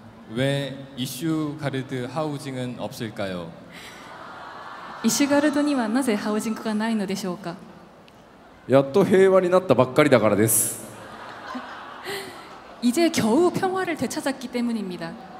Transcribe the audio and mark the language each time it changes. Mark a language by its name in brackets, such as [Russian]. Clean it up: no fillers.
[Korean] 왜 이슈 가르드 하우징은 없을까요? 이슈 가르드는 왜 하우징이 없을까요? 야또 평화 [Japanese] になったばっかりだからです. [Korean] 이제 겨우 평화를 되찾았기 때문입니다.